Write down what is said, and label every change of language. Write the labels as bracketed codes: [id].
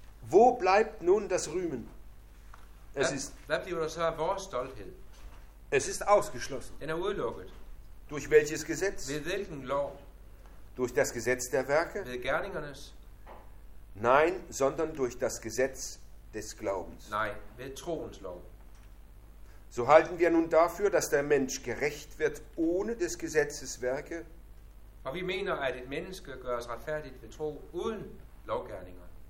[de] Wo bleibt nun das Rühmen? [da] Hvad bliver der så af vores stolthed? [de] Es ist ausgeschlossen. [da] Den er udelukket. [de] Durch welches Gesetz? [da] Ved hvilken lov? [de] Durch das Gesetz der Werke? [da] Ved gerningernes? [de] Nein, sondern durch das Gesetz des Glaubens. [da] Nein, ved troens lov. [de] So halten wir nun dafür, dass der Mensch gerecht wird ohne des Gesetzes Werke. [da] Og vi mener, at et menneske gøres retfærdigt ved tro uden lovgerninger.